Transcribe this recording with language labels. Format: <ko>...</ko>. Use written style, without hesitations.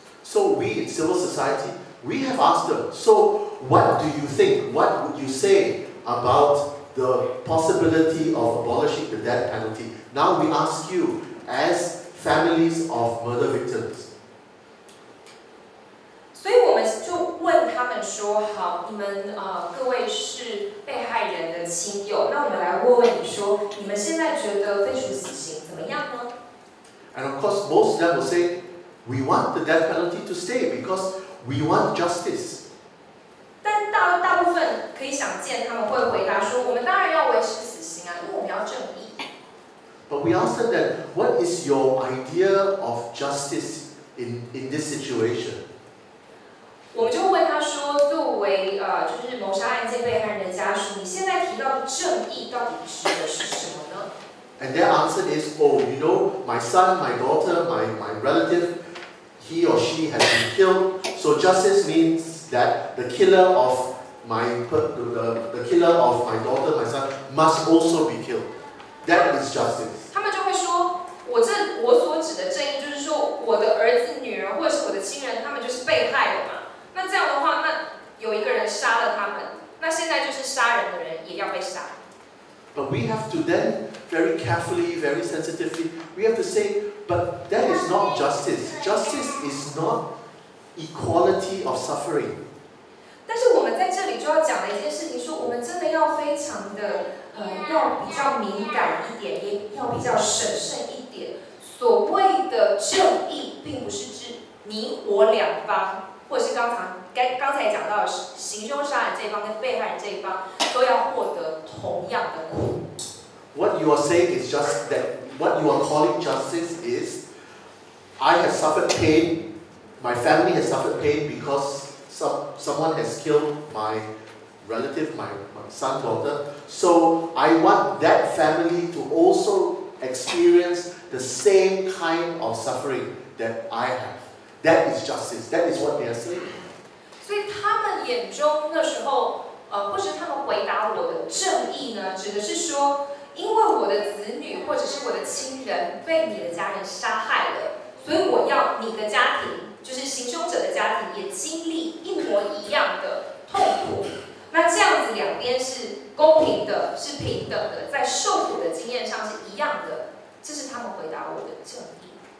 <en>So we in civil society, we have asked them, so what do you think, what would you say about the possibility of abolishing the death penalty? Now we ask you, as families of murder victims.</en> <zh>所以我们就问他们说，好，你们各位是被害人的亲友，那我们来问问你说，你们现在觉得废除死刑怎么样呢？</zh> <en>And of course, most of them will say, we want the death penalty to stay because we want justice.</en> <zh>但 大部分可以想见，他们会回答说：“我们当然要维持死刑啊，因为我们要正义。”</zh> <en>But we ask them that, what is your idea of justice in this situation?</en> <zh>我们就问他说：“作为就是谋杀案件被害人的家属，你现在提到的正义到底指的是什么呢？”</zh> <en>And their answer is, "Oh, you know, my son, my daughter, my relative, he or she has been killed. So justice means." That the killer of my daughter, my son must also be killed. That is justice.</en> <zh>他们就会说，我所指的正义就是说，我的儿子、女儿或者是我的亲人，他们就是被害了嘛。那这样的话，那有一个人杀了他们，那现在就是杀人的人也要被杀。</zh> <en>But we have to then very carefully, very sensitively, we have to say, but that is not justice. Justice is not. Equality of suffering.</en> <zh>但是我们在这里就要讲的一件事情，说我们真的要非常的要比较敏感一点，也要比较审慎一点。所谓的正义，并不是指你我两方，或者是刚才讲到的行凶杀人这一方跟被害人这一方都要获得同样的苦。</zh> <en>What you are saying is just that. What you are calling justice is, I have suffered pain. My family has suffered pain because someone has killed my relative, my son, daughter. So I want that family to also experience the same kind of suffering that I have. That is justice. That is what they are saying.</en> <zh>所以他们眼中那时候，或是他们回答我的正义呢，指的是说，因为我的子女或者是我的亲人被你的家人杀害了，所以我要你的家庭。就是行凶者的家庭也经历一模一样的痛苦，那这样子两边是公平的，是平等的，在受苦的经验上是一样的，这是他们回答我的正义。</zh>